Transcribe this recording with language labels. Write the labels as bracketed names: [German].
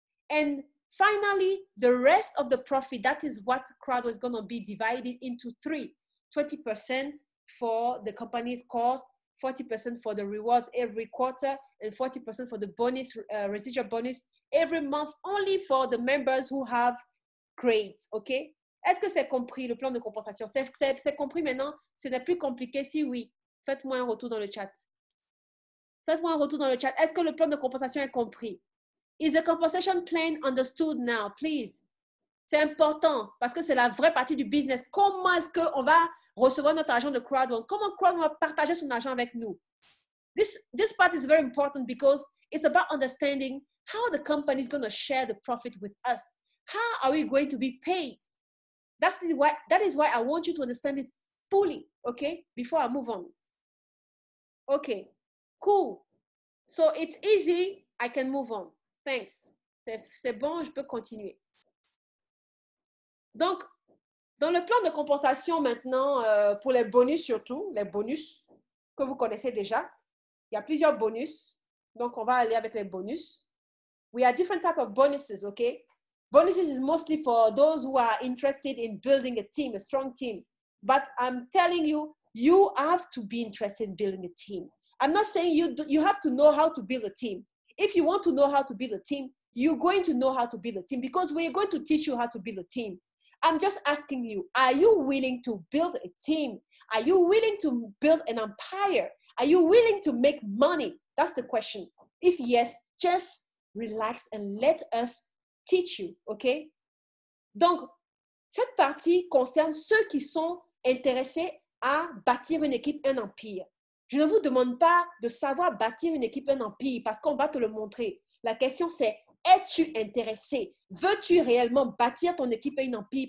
[English] And finally, the rest of the profit, that is what crowd is going to be divided into three. 20% for the company's cost, 40% for the rewards every quarter, and 40% for the bonus, residual bonus every month, only for the members who have grades, OK? [French] Est-ce que c'est compris, le plan de compensation? C'est compris maintenant? Ce n'est plus compliqué? Si oui, faites-moi un retour dans le chat. Faites-moi un retour dans le chat. Est-ce que le plan de compensation est compris? [English] Is the compensation plan understood now, please? [French] C'est important parce que c'est la vraie partie du business. Comment est-ce qu'on va recevoir notre argent de CrowdVent? Comment CrowdVent va partager son argent avec nous? [English] This part is very important because it's about understanding how the company is going to share the profit with us. How are we going to be paid? That is why I want you to understand it fully, okay? Before I move on. Okay, cool. So it's easy, I can move on. Thanks. [French] C'est bon, je peux continuer. Donc, dans le plan de compensation maintenant, pour les bonus surtout, les bonus que vous connaissez déjà, il y a plusieurs bonus. Donc, on va aller avec les bonus. [English] We have different types of bonuses, okay? Bonuses is mostly for those who are interested in building a team, a strong team. But I'm telling you, you have to be interested in building a team. I'm not saying you have to know how to build a team. If you want to know how to build a team, you're going to know how to build a team because we're going to teach you how to build a team. I'm just asking you, are you willing to build a team? Are you willing to build an empire? Are you willing to make money? That's the question. If yes, just relax and let us teach you, okay? [French] Donc, cette partie concerne ceux qui sont intéressés à bâtir une équipe, un empire. Je ne vous demande pas de savoir bâtir une équipe, un empire, parce qu'on va te le montrer. La question c'est, es-tu intéressé? Veux-tu réellement bâtir ton équipe et un empire?